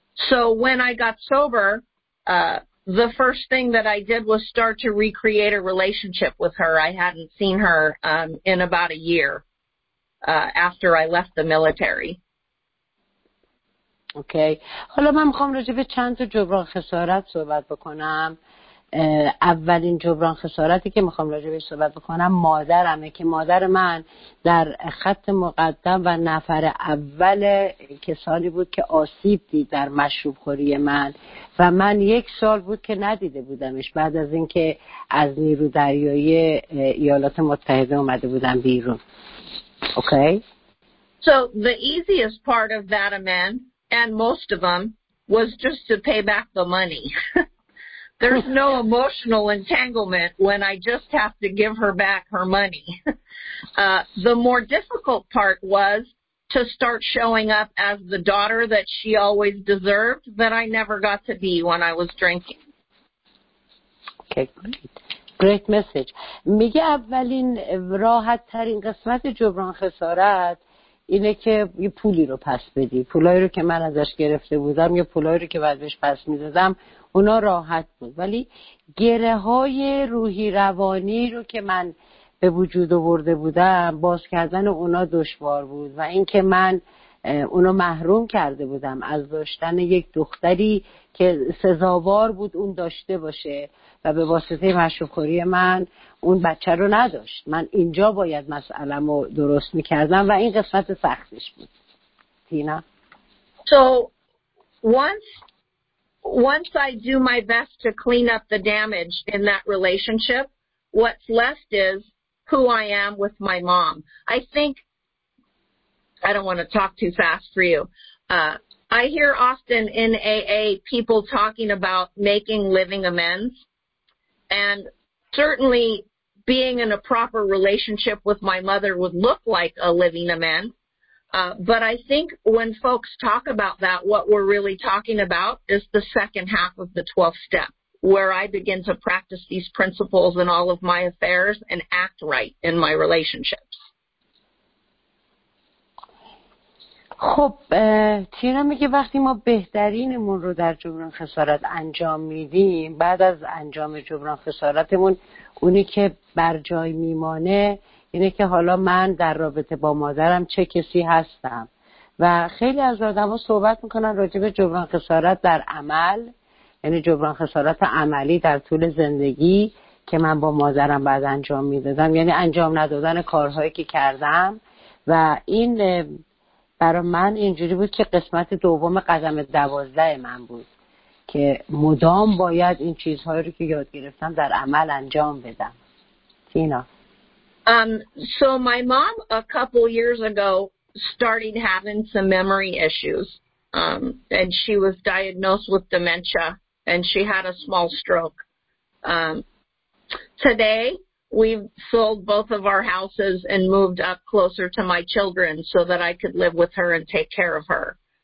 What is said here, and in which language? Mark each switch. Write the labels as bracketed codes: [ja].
[en] So when I got sober, the first thing that I did was start to recreate a relationship with her. I hadn't seen her in about a year after I left the military. Okay. [fa] حالا من میخوام راجع به چند تا جبران خسارت صحبت بکنم. اولین جبران خسارتی که میخوام راجع به صحبت بکنم مادرمه، که مادر من در خط مقدم و نفر اول کسانی بود که آسیب دید در مشروب خوری من و من یک سال بود که ندیده بودمش بعد از اینکه از نیرو دریایی ایالات متحده اومده بودم بیرون. اوکی. [en] So the easiest part of that amend and most of them was just to pay back the money. There's no emotional entanglement when I just have to give her back her money. The more difficult part was to start showing up as the daughter that she always deserved that I never got to be when I was drinking. Okay, great. Great message. [fa] میگه اولین راحت ترین قسمت جبران خسارت اینه که یه پولی رو پس بدی. پولایی رو که من ازش گرفته بودم یا پولایی رو که بعدش پس میدادم اونا راحت بود، ولی گره های روحی روانی رو که من به وجود آورده بودم باز کردن اونا دشوار بود و اینکه من اونو محروم کرده بودم از داشتن یک دختری که سزاوار بود اون داشته باشه و به واسطه مشروب‌خوری من اون بچه رو نداشت. من اینجا باید مسئله‌مو درست می‌کردم و این قسمت سختش بود. تینا. [en] So once I do my best to clean up the damage in that relationship, what's left is who I am with my mom. I think I don't want to talk too fast for you. I hear often in AA people talking about making living amends, and certainly being in a proper relationship with my mother would look like a living amend. But I think when folks talk about that, what we're really talking about is the second half of the 12th step, where I begin to practice these principles in all of my affairs and act right in my relationships. [fa] خب تینا میگه وقتی ما بهترینمون رو در جبران خسارت انجام میدیم، بعد از انجام جبران خسارتمون اونی که بر جای میمانه اینه که حالا من در رابطه با مادرم چه کسی هستم و خیلی از آدم ها صحبت میکنن راجع به جبران خسارت در عمل، یعنی جبران خسارت عملی در طول زندگی که من با مادرم بعد انجام میدادم، یعنی انجام ندادن کارهایی که کردم. و این برای من اینجوری بود که قسمت دوم قدم 12 من بود که مدام باید این چیزهایی رو که یاد گرفتم در عمل انجام بدم. تینا. [en] So my mom a couple years ago started having some memory issues, and she was diagnosed with dementia, and she had a small stroke. Today we've sold both of our houses and moved up closer to my children so that I could live with her and take care of her.